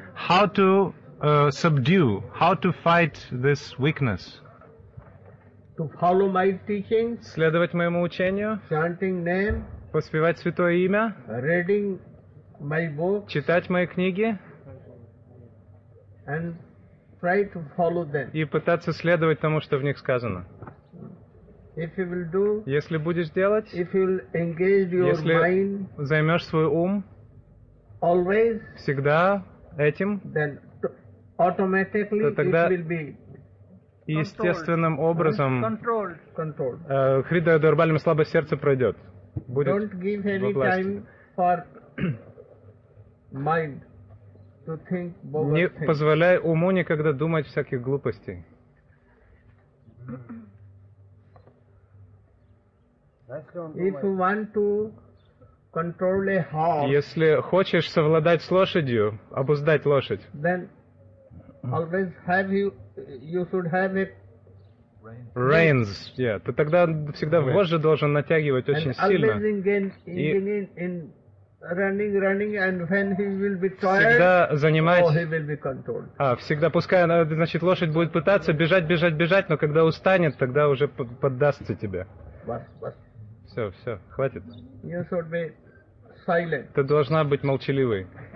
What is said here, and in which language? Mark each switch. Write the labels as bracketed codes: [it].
[en] How to subdue, how to fight this weakness? To follow my teachings. [ru] Следовать моему учению. [en] Chanting name. [ru] Воспевать святое имя, [en] reading my books, [ru] читать мои книги [en] and try to follow them. [ru] И пытаться следовать тому, что в них сказано. [en] If you will do, [ru] если будешь делать, [en] if you will engage your [ru] если [en] mind, [ru] займешь свой ум [en] always, [ru] всегда этим, [en] then automatically [ru] то тогда [en] it will be [ru] естественным образом [en] controlled. [ru] Хридая Дурбальма, слабое сердце пройдет. [en] Don't give any time for mind to think bogus. [ru] Не позволяй уму никогда думать всяких глупостей. [en] If you want to control a horse, [ru] если хочешь совладать с лошадью, обуздать лошадь, [en] then always have you should have it. Reins, yeah. [ru] Ты тогда всегда вожжи должен натягивать очень [en] and [ru] сильно. [en] In running, and when he will be tired, [ru] всегда занимать. [en] Oh, he will be controlled. [ru] А, всегда пускай, значит, лошадь будет пытаться бежать, но когда устанет, тогда уже поддастся тебе. Все, хватит. [en] You should be silent. [ru] Ты должна быть молчаливой.